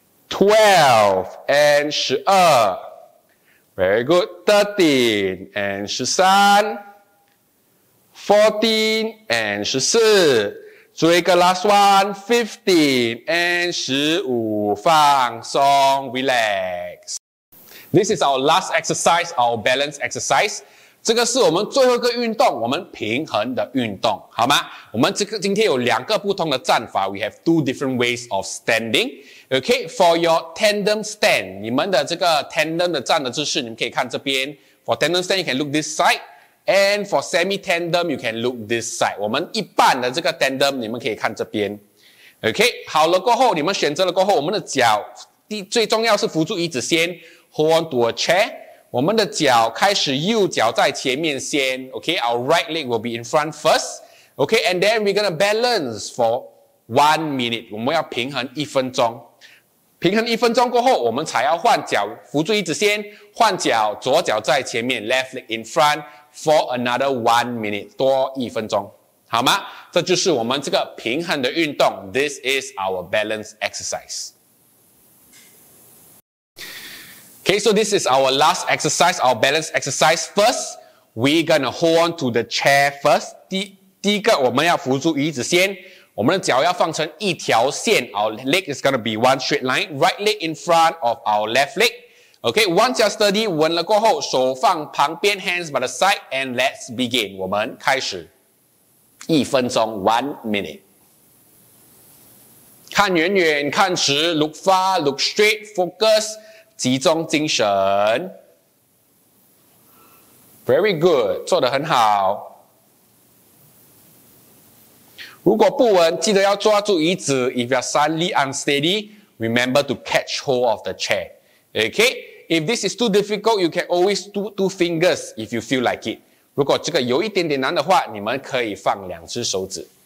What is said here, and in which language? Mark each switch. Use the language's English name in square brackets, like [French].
[English] twelve and [Chinese] 十二 [English] very good, thirteen and [Chinese] 十三 [English] fourteen and [Chinese] 十四最后一个 [English] last one, fifteen and [Chinese] 十五放松 [English] relax. This is our last exercise, our balance exercise. [Chinese] 这个是我们最后一个运动，我们平衡的运动，好吗？我们这个今天有两个不同的站法， [English] we have two different ways of standing. Okay, for your tandem stand, [Chinese] 你们的这个 tandem 的站的姿势，你们可以看这边。 [English] For tandem stand, you can look this side, and for semi tandem, you can look this side. [Chinese] 我们一半的这个 tandem, 你们可以看这边。 Okay, 好了过后，你们选择了过后，我们的脚最重要是扶住椅子先。 [English] Hold on to a chair. [Chinese] 我们的脚开始，右脚在前面先。 [English] Okay, our right leg will be in front first. Okay, and then we're gonna balance for 1 minute. [Chinese] 我们要平衡一分钟。平衡一分钟过后，我们才要换脚，扶住椅子先。换脚，左脚在前面 ， [English] left leg in front for another 1 minute. [Chinese] 多一分钟，好吗？这就是我们这个平衡的运动。 [English] This is our balance exercise. Okay, so this is our last exercise, our balance exercise. First, we're gonna hold on to the chair first. [Chinese] 第一个，我们要扶住椅子先。我们的脚要放成一条线。 [English] Our leg is gonna be one straight line. Right leg in front of our left leg. Okay, once you're steady, [Chinese] 稳了过后，手放旁边 [English] ，hands by the side, and let's begin. [Chinese] 我们开始，一分钟 ， [English] 1 minute. [Chinese] 看远远，看直 [English] ，look far, look straight, focus. [Chinese] 集中精神 ， [English] very good， [Chinese] 做得很好。如果不稳，记得要抓住椅子。 [English] If you're suddenly unsteady, remember to catch hold of the chair. Okay, if this is too difficult, you can always do two fingers if you feel like it. [Chinese] 如果这个有一点点难的话，你们可以放两只手指。